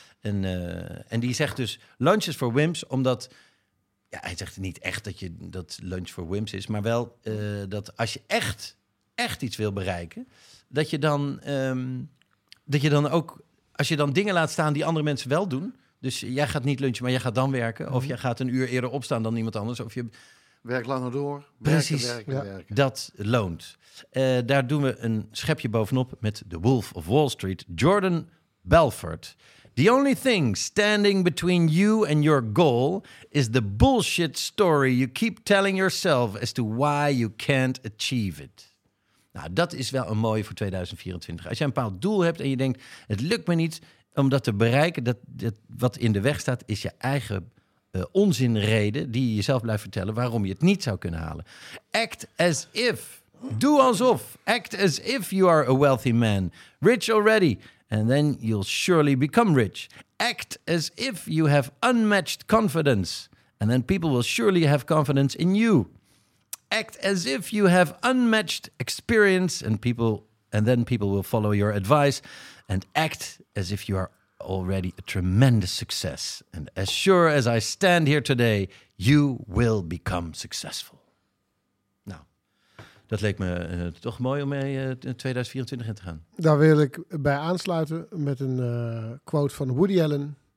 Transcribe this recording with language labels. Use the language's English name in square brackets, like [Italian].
[Dutch] En die zegt dus, [English] lunch is for wimps, [Dutch] omdat, ja, hij zegt niet echt dat je dat lunch for wimps is, maar wel dat als je echt iets wil bereiken, dat je dan ook, als je dan dingen laat staan die andere mensen wel doen, dus jij gaat niet lunchen, maar jij gaat dan werken, of jij gaat een uur eerder opstaan dan iemand anders, of je werk langer door. Precies. Werken. Dat loont. Daar doen we een schepje bovenop met The Wolf of Wall Street, Jordan Belfort. [English] The only thing standing between you and your goal is the bullshit story you keep telling yourself as to why you can't achieve it. [Dutch] Nou, dat is wel een mooie voor 2024. Als jij een bepaald doel hebt en je denkt, het lukt me niet om dat te bereiken, dat wat in de weg staat, is je eigen onzinreden die je jezelf blijft vertellen waarom je het niet zou kunnen halen. [English] Act as if. [Dutch] Doe alsof. [English] Act as if you are a wealthy man. Rich already. And then you'll surely become rich. Act as if you have unmatched confidence. And then people will surely have confidence in you. Act as if you have unmatched experience. And then people will follow your advice. And act as if you are already a tremendous success. And as sure as I stand here today, you will become successful. [Dutch] Nou, dat leek me toch mooi om mee 2024 in te gaan. Daar wil ik bij aansluiten met een quote van Woody Allen.